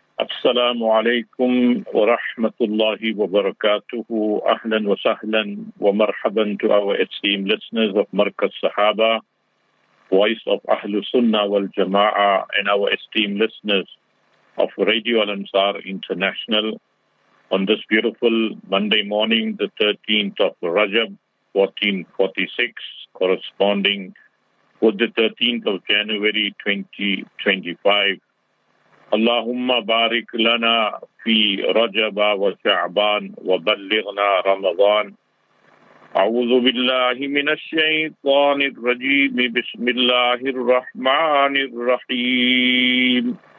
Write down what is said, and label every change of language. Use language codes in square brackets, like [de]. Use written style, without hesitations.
[ar] السلام عليكم ورحمة الله وبركاته. أهلا وسهلا ومرحبا [en] to our esteemed listeners of مركز صحابة, voice of أهل السنة والجماعة, and our esteemed listeners of Radio Al Ansar International on this beautiful Monday morning, the 13th of Rajab, 1446, corresponding with the 13th of January, 2025. [ar] اللهم بارك لنا في رجب وشعبان وبلغنا رمضان. أعوذ بالله من الشيطان الرجيم, بسم الله الرحمن الرحيم.